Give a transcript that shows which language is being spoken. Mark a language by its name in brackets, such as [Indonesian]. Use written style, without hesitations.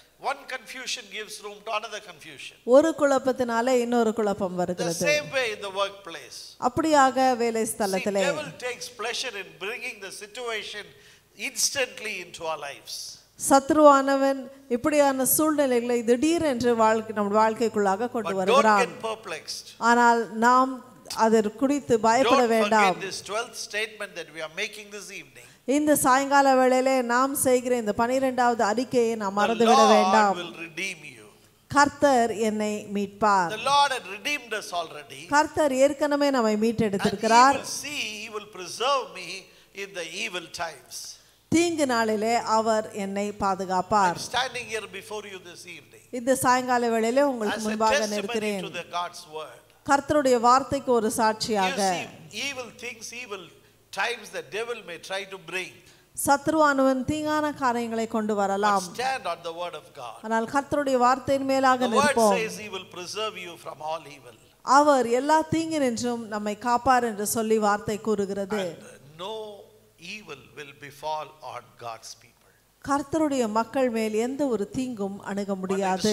[English] One confusion gives room to another confusion. [Tamil] ஒரு குழப்பத்தினாலே இன்னொரு குழப்பம் வருகிறது. [English] The same way in the workplace. [Tamil] அப்படியாக வேலை ஸ்தலத்திலே. [English] The devil takes pleasure in bringing the situation instantly into our lives. [Tamil] சத்ருவானவன் இப்படியான சூழ்நிலைகளை திடீர் என்று நம் வாழ்க்கைக்குள்ளாக கொண்டு வருகிறான். [English] But don't get perplexed. [Tamil] ஆனால் நாம் அதற்கு குறித்து பயப்பட வேண்டாம். [English] Don't forget this 12th statement that we are making this evening. [Tamil] இந்த சாயங்கால வேளையிலே நாம் செய்கிற இந்த 12th அறிக்கையை நாம் மறந்துவிட வேண்டாம். கர்த்தர் என்னை மீட்பார். [English] The Lord had redeemed us already. [Tamil] கர்த்தர் ஏற்கனவே நம்மை மீட்டெடுத்திருக்கிறார். [English] He will preserve me in the evil times. [Tamil] தீங்கு நாளிலே அவர் என்னை பாதுகாப்பார். [English] I'm standing here before you this evening. [Tamil] இந்த சாயங்கால வேளையிலே உங்களுக்கு முன்பாக நிற்கிறேன். [English] To the God's word. [Tamil] கர்த்தருடைய வார்த்தைக்கு ஒரு சாட்சியாக. [English] Evil things, evil times the devil may try to bring. [Tamil] சத்ருவானவன் தீங்கான காரியங்களை கொண்டு வரலாம். [English] Stand on the word of God. [Tamil] ஆனால் கர்த்தருடைய வார்த்தையின் மேலாக நிற்போம். [English] The word says he will preserve you from all evil. [Tamil] அவர் எல்லா தீங்கினின்றும் நம்மை காப்பார் என்று சொல்லி வார்த்தை கூறுகிறது. [English] No evil will befall on God's people. [Tamil] கர்த்தருடைய மக்கள் மேல் எந்த ஒரு தீங்கும் அணுக முடியாது.